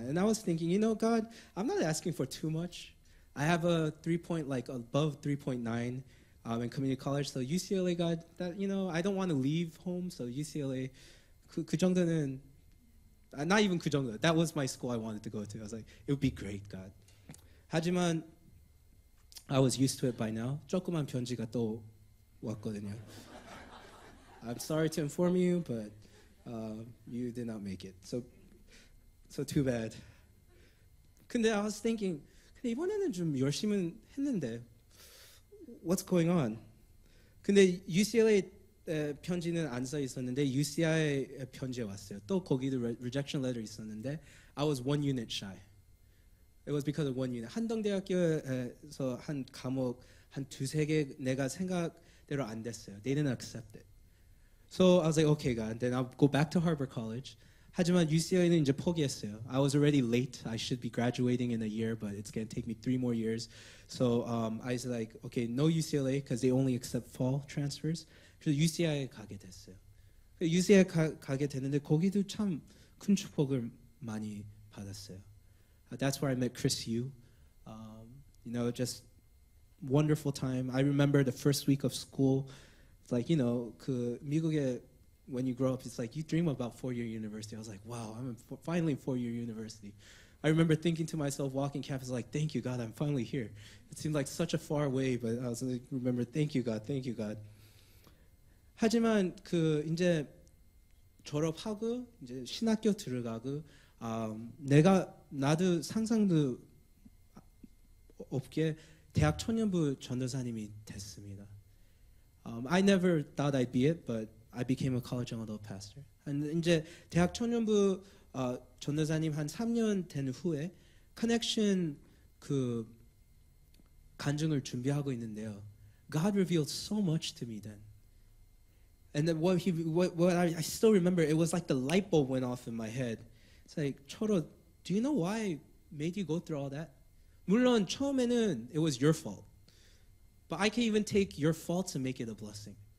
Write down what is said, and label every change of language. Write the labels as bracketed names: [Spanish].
[English] And I was thinking, you know, God, I'm not asking for too much. I have a 3 point, like above 3.9 in community college. So UCLA, God, that, you know, I don't want to leave home. So UCLA, 그 정도는 not even 그 정도. That was my school I wanted to go to. I was like, it would be great, God. [Korean] 하지만 [English] I was used to it by now. [Korean] 조그만 편지가 또 왔거든요. [English] I'm sorry to inform you, but you did not make it. So too bad. [Korean] 근데 [English] I was thinking, [Korean] 근데 이번에는 좀 열심히 했는데, [English] what's going on? [Korean] 근데 UCLA 편지는 안 써 있었는데 UCI 편지 왔어요. 또 거기도 [English] rejection letter [Korean] 있었는데 [English] I was one unit shy. It was because of one unit. [Korean] 한동대학교에서 한 과목 한 두세 개 내가 생각대로 안 됐어요. [English] They didn't accept it. So I was like, okay, God, then I'll go back to Harbor College. [Korean] 하지만 UCLA는 이제 포기했어요. [English] I was already late. I should be graduating in a year, but it's going to take me 3 more years. So I was like, okay, no UCLA because they only accept fall transfers. [Korean] 그래서 UCI에 가게 됐어요. UCI에 가게 됐는데 거기도 참 큰 축복을 많이 받았어요. [English] That's where I met Chris Yu. You know, just wonderful time. I remember the first week of school. It's like, you know, [Korean] 그 미국에 [English] when you grow up, it's like you dream about four-year university. I was like, wow, I'm finally in four-year university. I remember thinking to myself, walking campus, like, thank you, God, I'm finally here. It seemed like such a far way, but I was like, remember, thank you, God, thank you, God. [Korean] 하지만 그 이제 졸업하고 이제 신학교 들어가고 내가 나도 상상도 없게 대학 청년부 전도사님이 됐습니다. [English] I never thought I'd be it, but I became a college young adult pastor. And [Korean] 이제 대학 청년부 전도사님 한 3년 된 후에 커넥션 그 간증을 준비하고 있는데요. [English] God revealed so much to me then. And then what I still remember, it was like the light bulb went off in my head. It's like, Choro, do you know why I made you go through all that? [Korean] 물론 처음에는 [English] it was your fault. But I can even take your fault to make it a blessing.